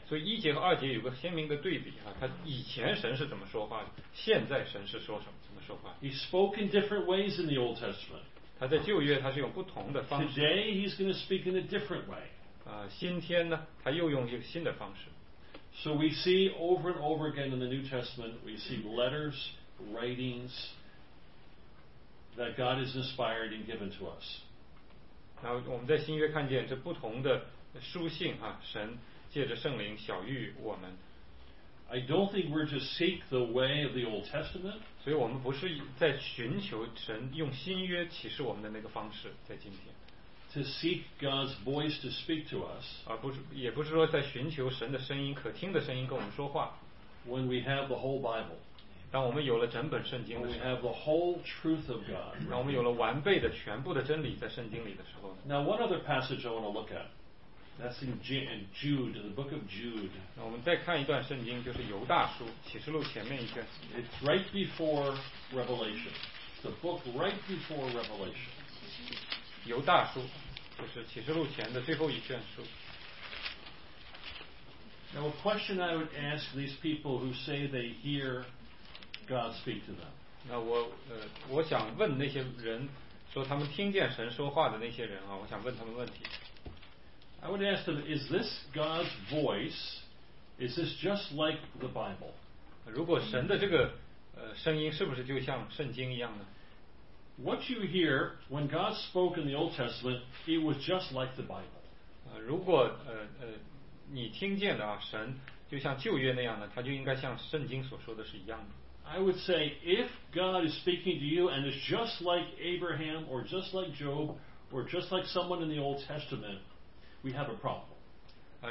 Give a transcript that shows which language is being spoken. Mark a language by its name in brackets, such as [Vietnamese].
[Chinese] 所以一节和二节有个鲜明的对比啊，他以前神是怎么说话的，现在神是说什么，怎么说话。 [English] He spoke in different ways in the Old Testament. [Chinese] 他在旧约他是用不同的方式。 [English] Today he's going to speak in a different way. [Chinese] 今天呢，他又用一个新的方式。 [English] So we see over and over again in the New Testament, we see letters, writings,that God is inspired and given to us. [Chinese] 然后我们在新约看见这不同的书信啊，神借着圣灵晓谕我们。 [English] I don't think we're to seek the way of the Old Testament. [Chinese] 所以我们不是在寻求神用新约启示我们的那个方式，在今天。 [English] To seek God's voice to speak to us. [Chinese] 而不是也不是说在寻求神的声音，可听的声音跟我们说话。 [English] When we have the whole Bible. [Chinese] 让我们有了整本圣经的时候， [English] we have the whole truth of God. [Chinese] 让我们有了完备的全部的真理在圣经里的时候。 [English] Now one other passage I want to look at. That's in Jude, the book of Jude. [Chinese] 那我们再看一段圣经，就是犹大书，启示录前面一卷。 [English] It's right before Revelation. The book right before Revelation. [Chinese] 犹大书，就是启示录前的最后一卷书。 [English] Now a question I would ask these people who say they hear. God speak to them. [Chinese] 那我想问那些人，说他们听见神说话的那些人啊，我想问他们问题。 [English] I would ask them, is this God's voice? Is this just like the Bible? [Chinese] 如果神的这个声音是不是就像圣经一样呢？ [English] What you hear when God spoke in the Old Testament, it was just like the Bible. [Chinese] 如果你听见的啊，神就像旧约那样的，他就应该像圣经所说的是一样的。 [English] I would say, if God is speaking to you and is just like Abraham or just like Job or just like someone in the Old Testament, we have a problem.